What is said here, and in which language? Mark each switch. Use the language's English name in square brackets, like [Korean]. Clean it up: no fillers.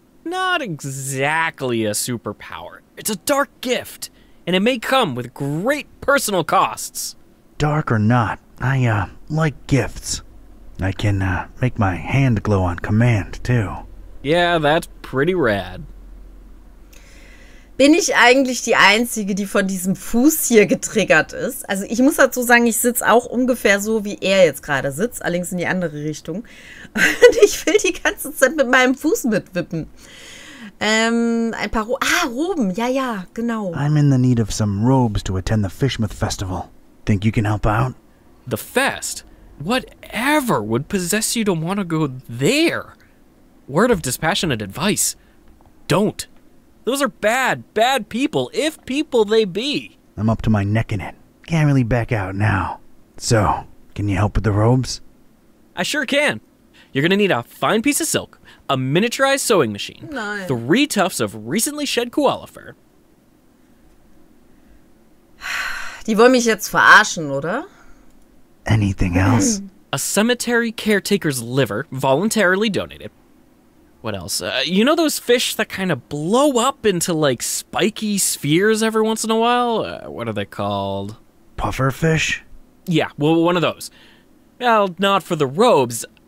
[English] Not exactly a superpower. It's a dark gift, and it may come with great personal costs. Dark or not, I like gifts. I can make my hand glow on command, too. Yeah, that's pretty rad. [German] Bin ich eigentlich die Einzige, die von diesem Fuß hier getriggert ist? Also ich muss dazu sagen, ich sitze auch ungefähr so, wie er jetzt gerade sitzt, allerdings in die andere Richtung. Und ich will die ganze Zeit mit meinem Fuß mitwippen. Roben, ja, genau. [English] I'm in the need of some robes to attend the Fishmouth Festival. Think you can help out? The fest? Whatever would possess you to want to go there? Word of dispassionate advice. Don't. Those are bad, bad people, if people they be. I'm up to my neck in it. Can't really back out now. So, can you help with the robes? I sure can. You're gonna need a fine piece of silk, a miniaturized sewing machine, [German] Nein. [English] 3 tufts of recently shed koala fur. [German] Die wollen mich jetzt verarschen, oder? [English] Anything else? A cemetery caretaker's liver, voluntarily donated. What else? You know those fish that kind of blow up into, like, spiky spheres every once in a while? What are they called? Puffer fish? Yeah, well, one of those. Well, not for the robes.